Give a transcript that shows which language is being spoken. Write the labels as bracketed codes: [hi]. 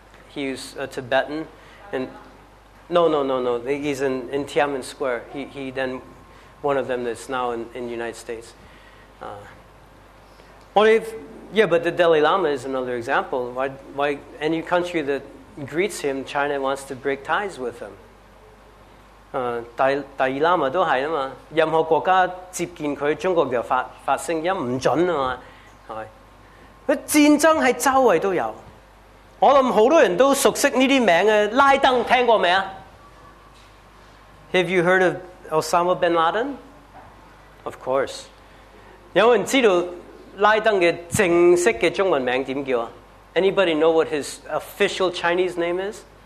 [en] He was a Tibetan. No. He's in Tiananmen Square. He then, one of them that's now in the United States. But the Dalai Lama is another example. Why any country that greets him, China wants to break ties with him? [yue] 第二喇嘛都係啊嘛，任何國家接見佢，中國就發聲音唔準啊嘛，係咪？戰爭係周圍都有，我諗好多人都熟悉呢啲名嘅，拉登聽過未啊 [en] ？Have you heard of Osama bin Laden? Of course. [yue] 有人知道拉登嘅正式嘅中文名點叫啊 [en] ？Anybody know what his official Chinese name is?